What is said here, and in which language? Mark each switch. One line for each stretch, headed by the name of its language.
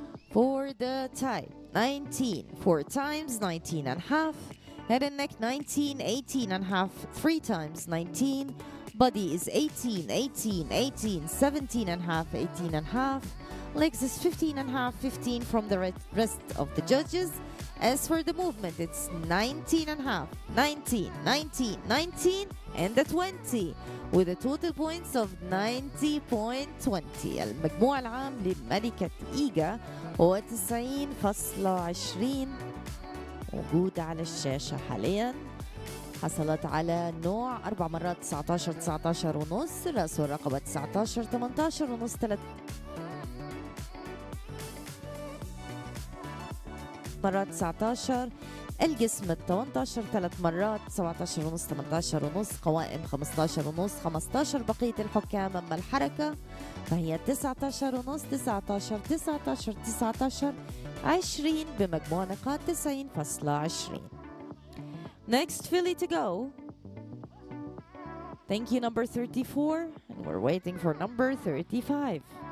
English: For the type, 19, 4 times, 19 and half, head and neck 19, 18 and half, 3 times 19, body is 18, 18, 18, 17 and half, 18 and half, legs is 15 and half, 15 from the rest of the judges. As for the movement, it's 19 and half, 19, 19, 19, and the 20, with a total points of 90.20.
Arabic: المجموع العام لملكة إيجا هو 90.20، موجود على الشاشة حاليا. حصلت على نوع 4 مرات 19, 19 ونص، رأس والرقبة 19, 18 ونص، 3 مرات 19، الجسم 18 3 مرات 17 ونص 18 ونص، قوائم 15 ونص 15 بقية الحكام، أما الحركة فهي 19 ونص 19 19 19 20 بمجموع نقاط 90.20.
English: Next filly to go. Thank you number 34 and we're waiting for number 35.